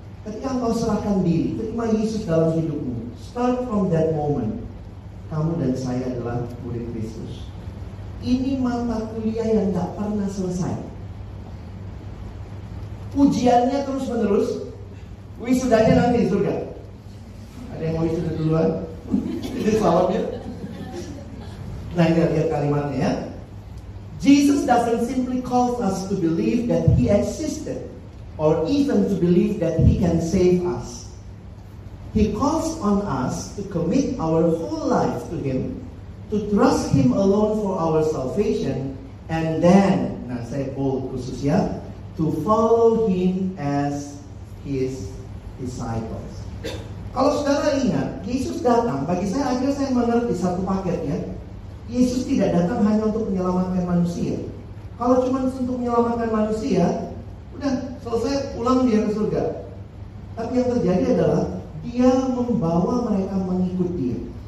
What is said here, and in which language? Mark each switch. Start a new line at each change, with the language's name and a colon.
Indonesian: Ketika kau serahkan diri, terima Yesus dalam hidupmu,
English: start from that moment,
Indonesian: kamu dan saya adalah murid Kristus. Ini mata kuliah yang gak pernah selesai. Ujiannya terus menerus. Wisudanya nanti di surga. Ada yang mau wisuda duluan? Ini selamatnya. Nah ini lihat kalimatnya ya.
English: Jesus doesn't simply call us to believe that he existed, or even to believe that he can save us. He calls on us to commit our whole life to Him to trust Him alone for our salvation, and then,
Indonesian: nah saya bold khusus ya,
English: to follow Him as His disciples.
Indonesian: Kalau saudara ingat, Yesus datang, bagi saya akhirnya saya mengerti satu paket ya. Yesus tidak datang hanya untuk menyelamatkan manusia. Kalau cuma untuk menyelamatkan manusia, udah selesai, pulang dia ke surga. Tapi yang terjadi adalah Dia membawa mereka mengikut Dia.